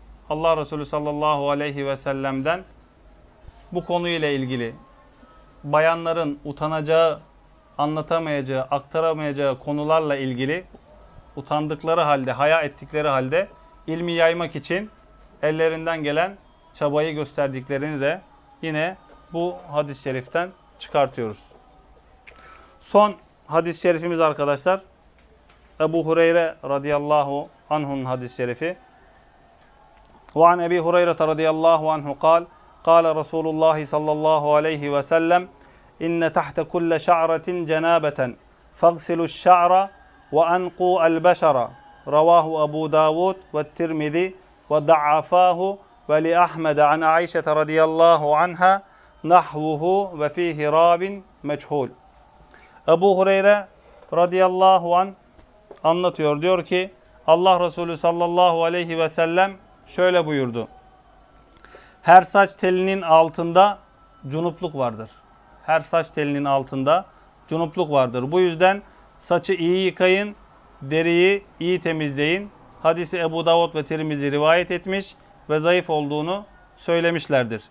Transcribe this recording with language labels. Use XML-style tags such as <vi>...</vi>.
<tr>Allah Resulü sallallahu aleyhi ve sellem'den bu konuyla ilgili bayanların utanacağı, anlatamayacağı, aktaramayacağı konularla ilgili utandıkları halde, haya ettikleri halde ilmi yaymak için ellerinden gelen çabayı gösterdiklerini de yine bu hadis-i şeriften çıkartıyoruz. Son hadis-i şerifimiz arkadaşlar Ebu Hureyre radıyallahu anhun hadis-i şerifi.</tr> <ar>وعن أبي هريرة رضي الله عنه قال قال رسول الله صلى الله عليه وسلم إن تحت كل شعرة جنابة فاغسلوا الشعر وأنقوا البشرة رواه أبو داود والترمذي وضعفاه ولأحمد عن عائشة رضي الله عنها نحوه وفيه راب مجهول أبو هريرة رضي الله عنه</ar> <tr>anlatıyor diyor ki Allah Resulü sallallahu aleyhi ve sellem şöyle buyurdu. Her saç telinin altında cunupluk vardır. Her saç telinin altında cunupluk vardır. Bu yüzden saçı iyi yıkayın, deriyi iyi temizleyin. Hadisi Ebu Davud ve Tirmizi rivayet etmiş ve zayıf olduğunu söylemişlerdir.</tr>